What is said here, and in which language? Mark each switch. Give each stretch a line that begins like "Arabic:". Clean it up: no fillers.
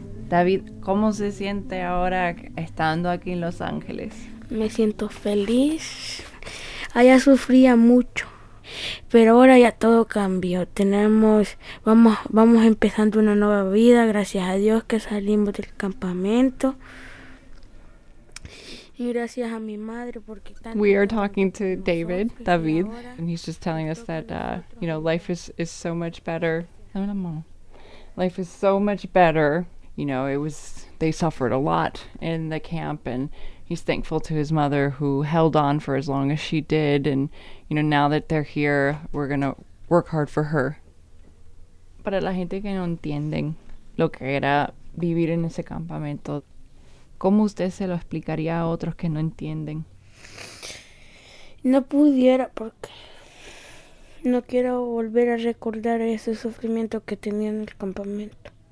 Spanish: David, ¿cómo se siente ahora estando aquí en Los Ángeles? Me siento feliz. Allá sufría mucho, pero ahora ya todo cambió. Vamos empezando una nueva vida, gracias a Dios que salimos del campamento. Y gracias a mi madre porque tan.
English: We are talking to David, David, and he's just telling us that you know, life is so much better. Life is so much better. You know, they suffered a lot in the camp, and he's thankful to his mother who held on for as long as she did. And, you know, now that they're here, we're going to work hard for her.
Spanish: Para la gente que no entienden lo que era vivir en ese campamento, ¿cómo usted se lo explicaría a otros que no entienden? No pudiera porque no quiero volver a recordar ese sufrimiento que tenía en el campamento.